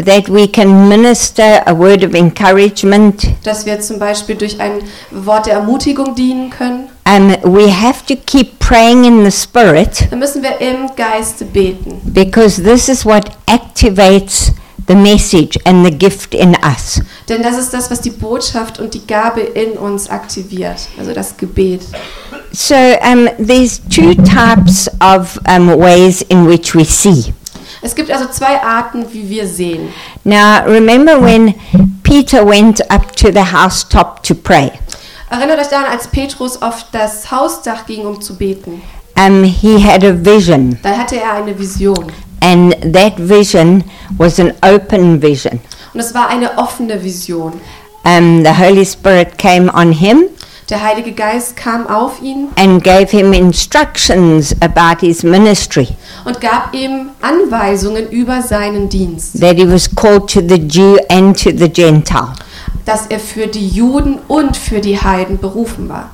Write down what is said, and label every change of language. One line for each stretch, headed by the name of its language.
English: that we can minister a word of encouragement,
German: dass wir zum Beispiel durch ein Wort der Ermutigung dienen können,
English: We have to keep praying in the spirit.
German: Dann müssen wir im Geiste beten.
English: Because this is what activates the message and the gift in us.
German: Denn das ist das, was die Botschaft und die Gabe in uns aktiviert, also das Gebet.
English: So there's two types of ways in which we see.
German: Es gibt also zwei Arten, wie wir sehen.
English: Now remember when Peter went up to the housetop to pray.
German: Erinnert euch daran, als Petrus auf das Hausdach ging, um zu beten.
English: He had a vision.
German: Da hatte er eine Vision.
English: And that vision was an open vision.
German: Und es war eine offene Vision.
English: The Holy Spirit came on him.
German: Der Heilige Geist kam auf ihn.
English: And gave him instructions about his ministry.
German: Und gab ihm Anweisungen über seinen Dienst.
English: That he was called to the Jew and to the Gentile.
German: Dass er für die Juden und für die Heiden berufen war.